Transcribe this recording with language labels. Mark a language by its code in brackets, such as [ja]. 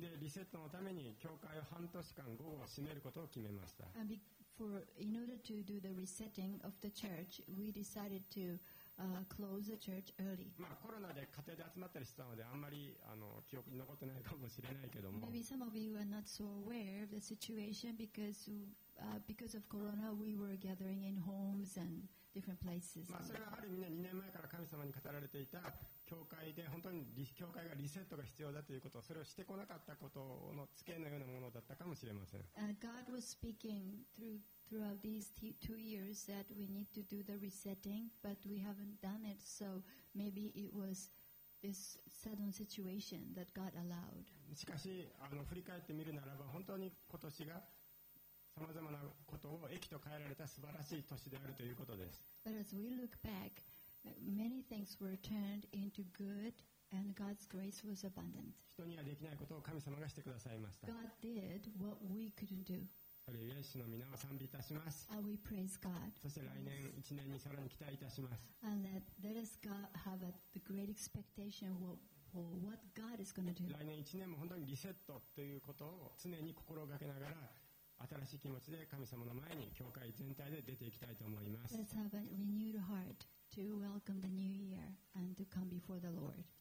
[ja] で、リセットのために教会を半年間午後を閉めることを決めました。 [en] And for in order to do the resetting of the church, we decided toclose the church early. [ja] まあコロナで家庭で集まったりしたのであんまり記憶に残ってないかもしれないけども。 [en] Maybe some of you are not so aware of the situation because because of Corona, we were gathering in homes and different places. God was speaking throughout these two years that we need to do the resetting, but we haven't done it, so maybe it was this sudden situation that God allowed. [ja] しかし、振り返ってみるならば、本当に今年が様々なことを益と変えられた素晴らしい年であるということです。 [en] But as we look back, many things were turned into good and God's grace was abundant. [ja] 人にはできないことを神様がしてくださいました。 [en] God did what we couldn't do. [ja] それイエスの皆を賛美いたします。 [en] And we praise God. [ja] そして来年1年にさらに期待いたします。 [en] And let us have the great expectation of what God is going to do. [ja] 来年1年も本当にリセットということを常に心がけながら新しい気持ちで神様の前に教会全体で出ていきたいと思います。 [en] Let's have a renewed heart to welcome the new year and to come before the Lord.